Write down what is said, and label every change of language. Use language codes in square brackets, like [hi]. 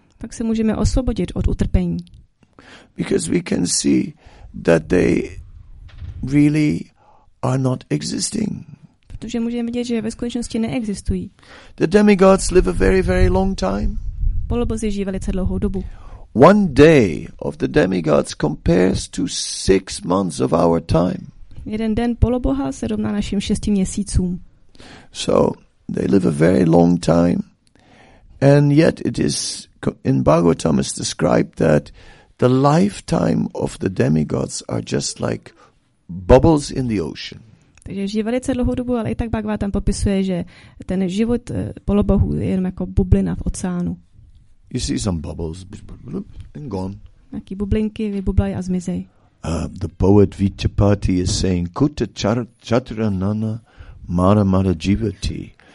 [cs] Tak se můžeme osvobodit od utrpení. [en] Because we can see that they really are not existing. [cs] Protože můžeme vidět, že ve skutečnosti neexistují. [en] The demigods live a very, very long time. [cs] Polobozy žijí velice dlouhou dobu. [en] One day of the demigods compares to 6 months of our time. [cs] Jeden den poloboha se rovná našim 6 měsícům. [en] So they live a very long time, and yet it is in Bhagavatam is described that the lifetime of the demigods are just like bubbles in the ocean. [cs] Takže žijí velice dlouhou dobu, ale i tak Bhagavatam popisuje, že ten život polobohů je jenom jako bublina v oceánu. [en] You see some bubbles and gone. [cs] Jaký bublinky vybublají a zmizej. [en] The poet Vichapati is saying, [sa] Kuta chatranana mara mara jivati.